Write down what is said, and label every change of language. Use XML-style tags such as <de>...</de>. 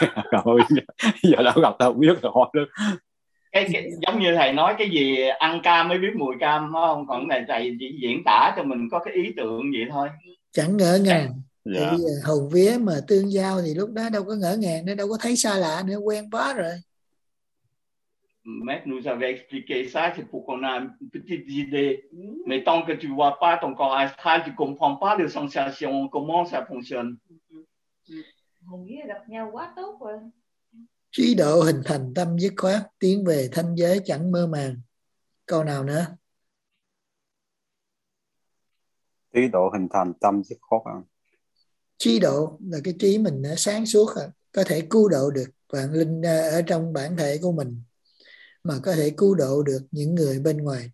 <vi>Trời ơi, giờ đâu gặp tao biết rồi. Cái giống như thầy nói cái gì ăn cam mới biết mùi cam đúng không? Còn này thầy chỉ diễn tả cho mình có cái ý tưởng vậy thôi. Chẳng ngỡ ngàng. Dạ. Thì hồn vía mà tương giao thì lúc đó đâu có ngỡ ngàng, nó đâu có thấy xa lạ nữa, quen quá rồi.</vi> <fr>Mais nous avons expliqué ça, c'est pour qu'on a une petite idée. Mais tant que tu vois pas ton corps astral, tu comprends pas les sensations, comment ça fonctionne.</fr> <vi>Hồn vía gặp nhau quá tốt rồi. Trí độ hình thành tâm dứt khoát, tiến về thanh giới chẳng mơ màng. Câu nào nữa? Trí độ hình thành tâm dứt khoát à? Trí độ là cái trí mình nó sáng suốt à, có thể cứu độ được vạn linh ở trong bản thể của mình, mà có thể cứu độ được những người bên ngoài.</vi>